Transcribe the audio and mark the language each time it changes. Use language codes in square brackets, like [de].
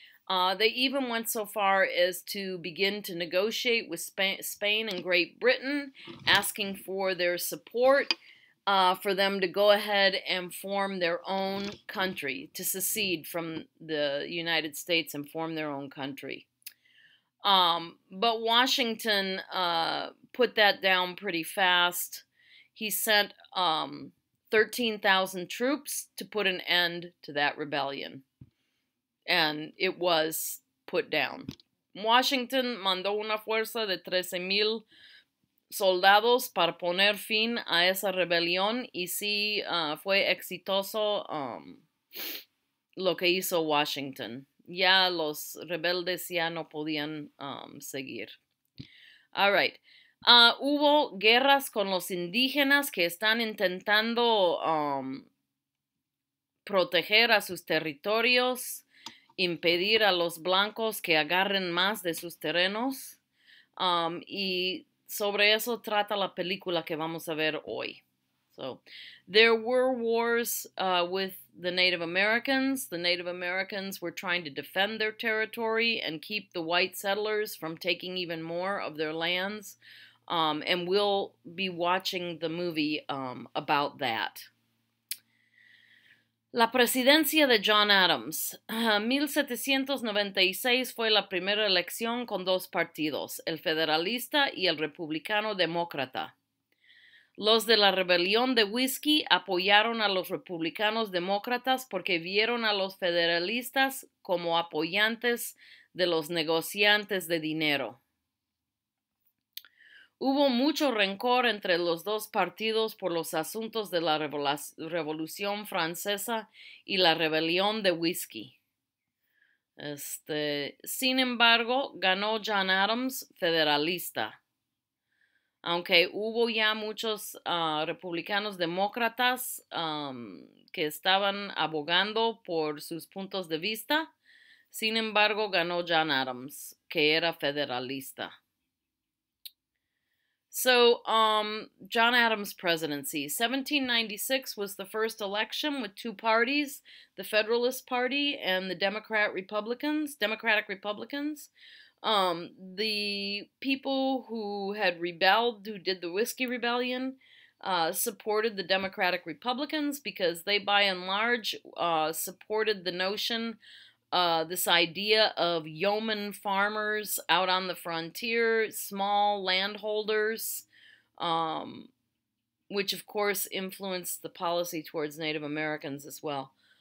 [en] They even went so far as to begin to negotiate with Spain and Great Britain, asking for their support for them to go ahead and form their own country, to secede from the United States and form their own country. But Washington put that down pretty fast. He sent 13,000 troops to put an end to that rebellion. And it was put down. [es] Washington mandó una fuerza de 13,000 soldados para poner fin a esa rebelión. Y sí, fue exitoso lo que hizo Washington. Ya los rebeldes ya no podían seguir. [en] All right. [es] Hubo guerras con los indígenas que están intentando proteger a sus territorios, impedir a los blancos que agarren más de sus terrenos. Y sobre eso trata la película que vamos a ver hoy. [en] So there were wars with the Native Americans. The Native Americans were trying to defend their territory and keep the white settlers from taking even more of their lands. And we'll be watching the movie about that. [es] La presidencia de John Adams. 1796 fue la primera elección con dos partidos, el federalista y el republicano demócrata. Los de la rebelión de Whiskey apoyaron a los republicanos demócratas porque vieron a los federalistas como apoyantes de los negociantes de dinero. Hubo mucho rencor entre los dos partidos por los asuntos de la Revolución Francesa y la rebelión de Whiskey. Sin embargo, ganó John Adams, federalista. Aunque hubo ya muchos republicanos demócratas que estaban abogando por sus puntos de vista, sin embargo, ganó John Adams, que era federalista. [en] So, John Adams' presidency. 1796 was the first election with two parties, the Federalist Party and the Democratic Republicans. The people who had rebelled, who did the Whiskey Rebellion, supported the Democratic Republicans because they, by and large, supported the notion, this idea of yeoman farmers out on the frontier, small landholders, which of course influenced the policy towards Native Americans as well.